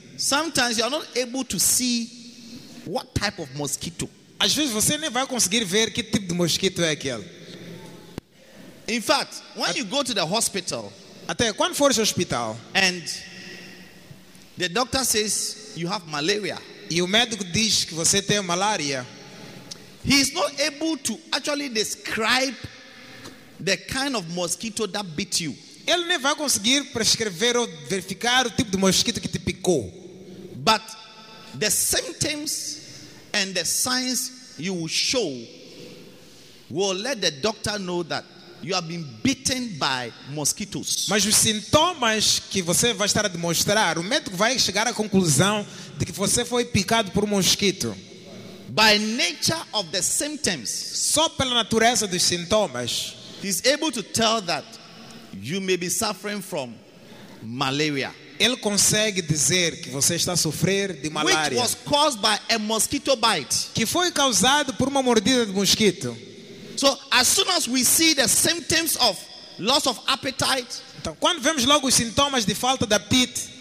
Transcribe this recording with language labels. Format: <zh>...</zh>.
<en>sometimes you are not able to see what type of mosquito.</en> <pt>Às vezes você nem vai conseguir ver que tipo de mosquito é aquele.</pt> <en>In fact, when you go to the hospital,</en> <pt>até quando fores ao hospital,</pt> <en>and the doctor says you have malaria,</en> <pt>e o médico diz que você tem malária,</pt> <en>he is not able to actually describe the kind of mosquito that bit you.</en> <pt>Ele nem vai conseguir prescrever ou verificar o tipo de mosquito que te picou.</pt> <en>But the symptoms and the signs you will show will let the doctor know that you have been bitten by mosquitoes.</en> <pt>Mas os sintomas que você vai estar a demonstrar, o médico vai chegar à conclusão de que você foi picado por mosquito.</pt> <en>By nature of the symptoms,</en> <pt>só pela natureza dos sintomas,</pt> <en>he's able to tell that you may be suffering from malaria.</en> <pt>Ele consegue dizer que você está a sofrer de malária.</pt> <en>Which was caused by a mosquito bite.</en> <pt>Que foi causado por uma mordida de mosquito.</pt> <en>So, as soon as we see the symptoms of loss of appetite.</en> <pt>Então, quando vemos logo os sintomas de falta de apetite,</pt>